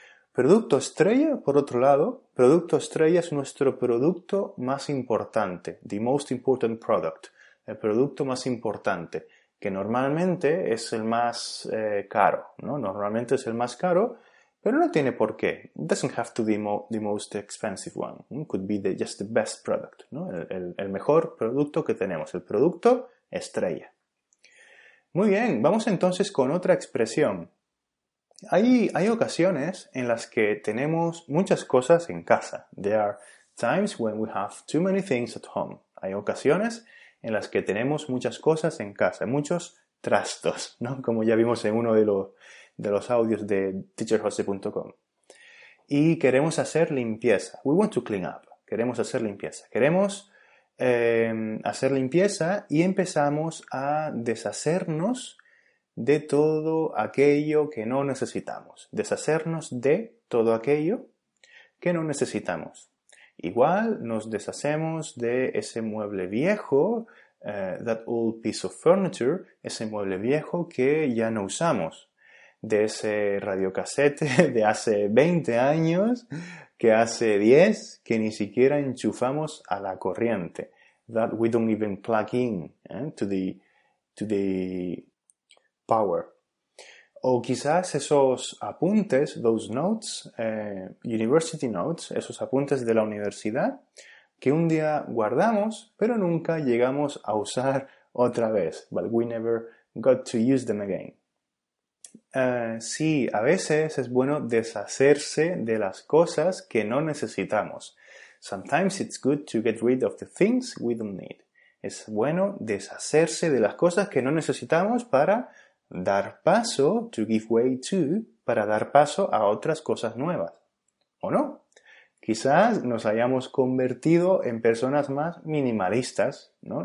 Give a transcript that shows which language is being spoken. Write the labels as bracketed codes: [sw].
[es] Producto estrella, por otro lado, producto estrella es nuestro producto más importante, [en] the most important product, [es] el producto más importante, que normalmente es el más caro, ¿no? Normalmente es el más caro, pero no tiene por qué. [en] It doesn't have to be the most expensive one. It could be just the best product, ¿no? [es] El mejor producto que tenemos, el producto estrella. Muy bien, vamos entonces con otra expresión. Hay ocasiones en las que tenemos muchas cosas en casa. [en] There are times when we have too many things at home. [es] Hay ocasiones en las que tenemos muchas cosas en casa, muchos trastos, ¿no? Como ya vimos en uno de los audios de teacherjose.com. Y queremos hacer limpieza. [en] We want to clean up. [es] Queremos hacer limpieza. Queremos hacer limpieza y empezamos a deshacernos de todo aquello que no necesitamos. Deshacernos de todo aquello que no necesitamos. Igual nos deshacemos de ese mueble viejo, [en] that old piece of furniture, [es] ese mueble viejo que ya no usamos. De ese radiocasete de hace 20 años, que hace 10, que ni siquiera enchufamos a la corriente. [en] That we don't even plug in to the power. [es] O quizás esos apuntes, [en] those notes, university notes, [es] esos apuntes de la universidad, que un día guardamos, pero nunca llegamos a usar otra vez. [en] But we never got to use them again. [es] Sí, a veces es bueno deshacerse de las cosas que no necesitamos. [en] Sometimes it's good to get rid of the things we don't need. [es] Es bueno deshacerse de las cosas que no necesitamos para dar paso, [en] to give way to, [es] para dar paso a otras cosas nuevas. ¿O no? Quizás nos hayamos convertido en personas más minimalistas, ¿no?